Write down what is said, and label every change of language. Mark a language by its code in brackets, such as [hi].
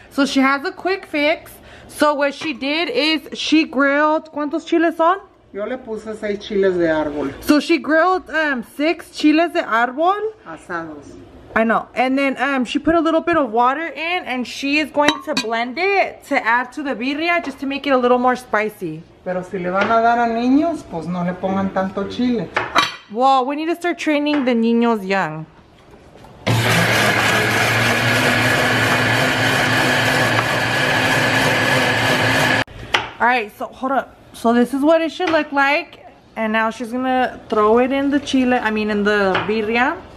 [en] So she has a quick fix. So what she did is she grilled, [es] ¿cuántos chiles son? Yo le puse 6 chiles de árbol. [en] So she grilled 6 chiles de árbol. [es] Asados. [en] I know. And then she put a little bit of water in, and she is going to blend it to add to the birria just to make it a little more spicy. [es] Pero si le van a dar a niños, pues no le pongan tanto chile. [en] Well, we need to start training the niños young. All right, so hold up. So this is what it should look like. And now she's going to throw it in the chile, in the birria.